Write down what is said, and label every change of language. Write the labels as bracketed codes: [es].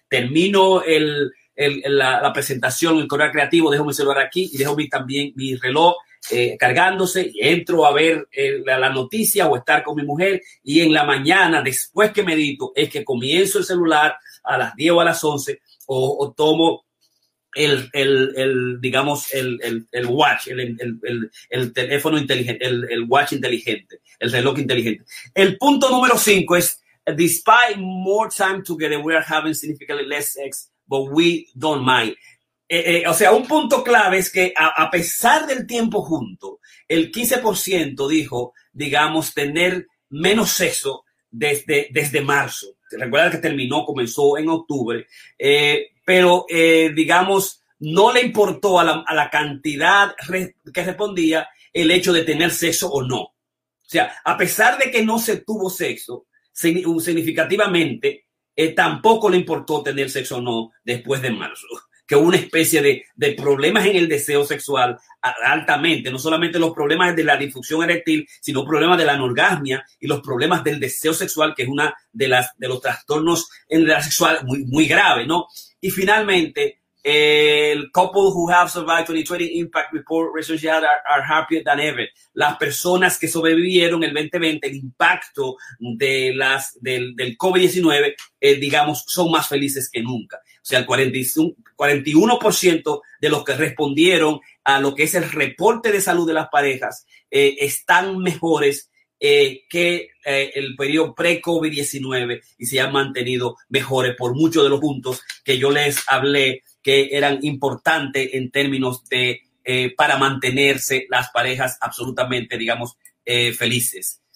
[es] Termino la presentación, el correo creativo, dejo mi celular aquí y dejo también mi reloj cargándose, y entro a ver la noticia o estar con mi mujer, y en la mañana, después que medito, es que comienzo el celular a las 10 o a las 11 o tomo el reloj inteligente. El punto número 5 es: [en] despite more time together, we are having significantly less sex, but we don't mind. [es] O sea, un punto clave es que a pesar del tiempo junto, el 15% dijo, digamos, tener menos sexo desde marzo. Recuerda que comenzó en octubre, pero no le importó a la cantidad que respondía el hecho de tener sexo o no. O sea, a pesar de que no se tuvo sexo significativamente, tampoco le importó tener sexo o no después de marzo, que hubo una especie de problemas en el deseo sexual altamente, no solamente los problemas de la disfunción eréctil, sino problemas de la anorgasmia y los problemas del deseo sexual, que es una de los trastornos en la sexual muy, muy grave, ¿no? Y finalmente, el [en] couple who have survived 2020 impact report research are happier than ever. [es] Las personas que sobrevivieron el 2020, el impacto del COVID-19, digamos, son más felices que nunca. O sea, el 41% de los que respondieron a lo que es el reporte de salud de las parejas están mejores que el periodo pre-COVID-19, y se han mantenido mejores por muchos de los puntos que yo les hablé que eran importantes en términos de para mantenerse las parejas absolutamente, digamos, felices.